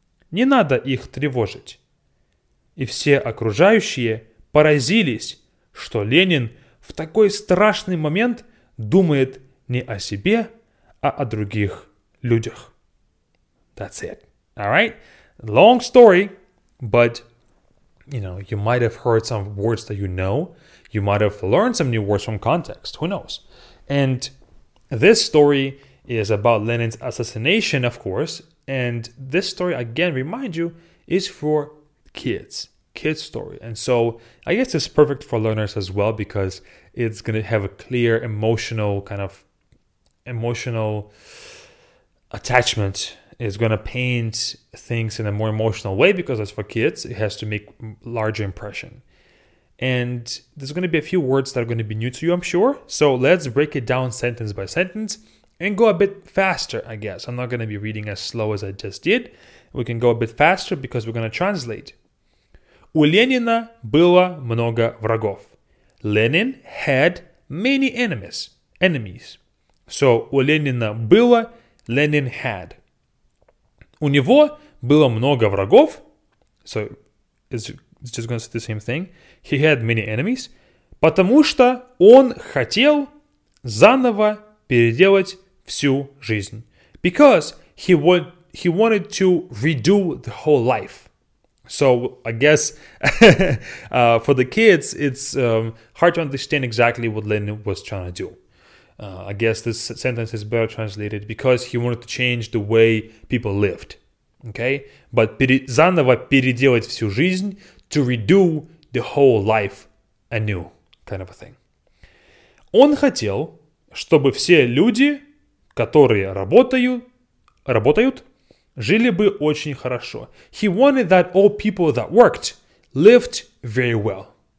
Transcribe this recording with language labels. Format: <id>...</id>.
<ru>Не надо их тревожить». И все окружающие поразились, что Ленин в такой страшный момент думает не о себе, а о других людях.</ru> <en>That's it. All right? Long story, but... You know, you might have heard some words that you know. You might have learned some new words from context. Who knows? And this story is about Lenin's assassination, of course. And this story, again, remind you, is for kids. Kids story. And so I guess it's perfect for learners as well because it's going to have a clear emotional kind of emotional attachment. It's going to paint things in a more emotional way because it's for kids. It has to make larger impression. And there's going to be a few words that are going to be new to you, I'm sure. So let's break it down sentence by sentence and go a bit faster, I guess. I'm not going to be reading as slow as I just did. We can go a bit faster because we're going to translate.</en> <ru>У Ленина было много врагов.</ru> <en>Lenin had many enemies. So</en> <ru>у Ленина было,</ru> <en>Lenin had.</en> <ru>У него было много врагов.</ru> <en>So, it's just going to say the same thing. He had many enemies.</en> <ru>Потому что он хотел заново переделать всю жизнь.</ru> <en>Because he wanted to redo the whole life. So, I guess for the kids, it's hard to understand exactly what Lenin was trying to do. I guess this sentence is better translated because he wanted to change the way people lived. Okay, but</en> <ru>заново переделать всю жизнь,</ru> <en>to redo the whole life anew, kind of a thing.</en> <ru>Он хотел, чтобы все люди, которые работают, жили бы очень хорошо.</ru> <en>He wanted that all people that worked lived very well.</en>